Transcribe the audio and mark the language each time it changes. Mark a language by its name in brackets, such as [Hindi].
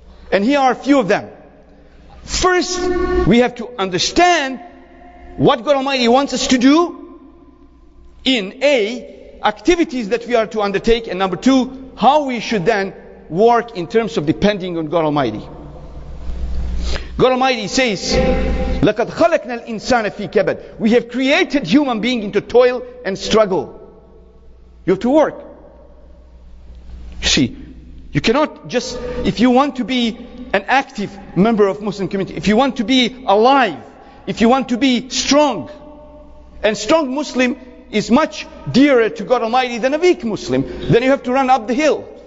[English] And here are a few of them. First, we have to understand what God Almighty wants us to do in A, activities that we are to undertake, and number two, how we should then work in terms of depending on God Almighty. God Almighty says, [Arabic] لَقَدْ خَلَقْنَا الْإِنسَانَ فِي كَبَدْ. [English] We have created human being into toil and struggle. You have to work. You see, you cannot just, if you want to be an active member of Muslim community, if you want to be alive, if you want to be strong, and strong Muslim is much dearer to God Almighty than a weak Muslim, then you have to run up the hill.